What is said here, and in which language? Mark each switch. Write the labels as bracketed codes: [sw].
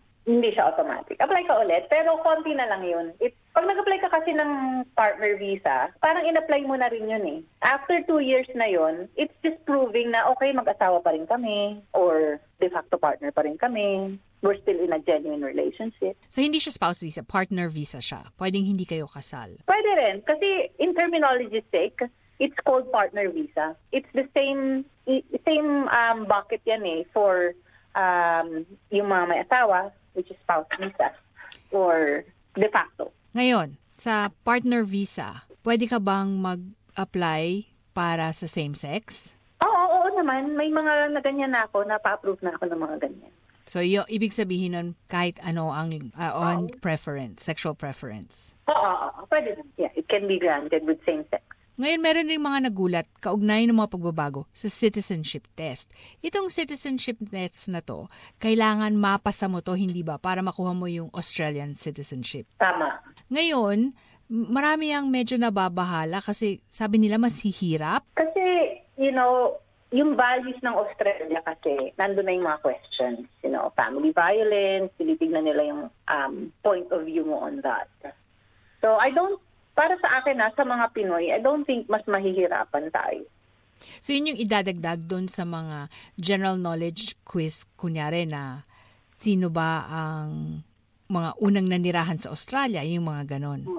[tl] Hindi siya automatic. Apply ka ulit, pero konti na lang yun. Pag nag-apply ka kasi ng partner visa, parang in-apply mo na rin yun eh. After 2 years na yun, [en] it's just proving [tl] na okay, mag-asawa pa rin kami or de facto partner pa rin kami. [en] We're still in a genuine relationship. [tl] So hindi siya spouse visa, partner visa siya. Pwedeng hindi kayo kasal. [en] Pwede rin, kasi in terminology's sake, it's called partner visa. It's the same bucket [tl] yan eh [en] for [tl] yung mga may asawa, [en] which is spouse visa, or de facto. [tl] Ngayon, sa partner visa, pwede ka bang mag-apply para sa same sex? Oo naman. May mga na ganyan na ako, napa-approve na ako ng mga ganyan. So, ibig sabihin nun kahit ano ang on preference, sexual preference? Oo, pwede rin. [en] Yeah, it can be granted with same sex. [tl] Ngayon, meron rin mga nagulat kaugnay ng mga pagbabago sa citizenship test. Itong citizenship test na to, kailangan mapasa mo to, hindi ba, para makuha mo yung Australian citizenship. Tama. Ngayon, marami ang medyo nababahala kasi sabi nila mas hihirap. Kasi, you know, yung values ng Australia kasi, nandun na yung mga questions. [en] You know, family violence, [tl] tinitignan nila [en] yung point of view mo on that. [tl] So, para sa akin na sa mga Pinoy, I don't think mas mahihirapan tayo. So yun yung idadagdag doon sa mga general knowledge quiz, kunyari na sino ba ang mga unang nanirahan sa Australia, yung mga ganon.